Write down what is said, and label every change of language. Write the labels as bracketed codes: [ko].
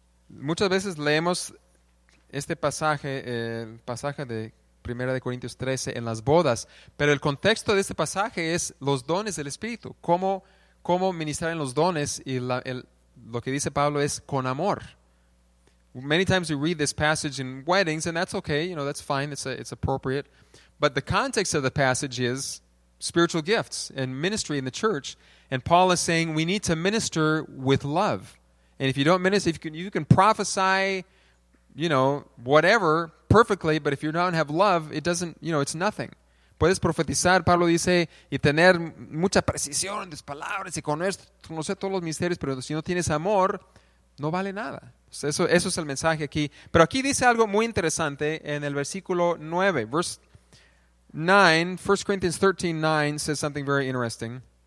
[es] Muchas veces leemos este pasaje, el pasaje de 1 Corintios 13 en las bodas, pero el contexto de este pasaje es los dones del Espíritu, cómo ministrar en los dones, y lo que dice Pablo es con amor. [en] Many times we read this passage in weddings, and that's okay, you know, that's fine, it's appropriate. But the context of the passage is spiritual gifts and ministry in the church. And Paul is saying we need to minister with love. And if you don't minister, you can prophesy, you know, whatever, perfectly, but if you don't have love, it doesn't, you know, it's nothing. [es] Puedes profetizar, Pablo dice, y tener mucha precisión en tus palabras y conocer todos los misterios, pero si no tienes amor, no vale nada. Eso es el mensaje aquí. Pero aquí dice algo muy interesante en el versículo 9. [en] Verse 9, 1 Corinthians 13, 9, says something very interesting.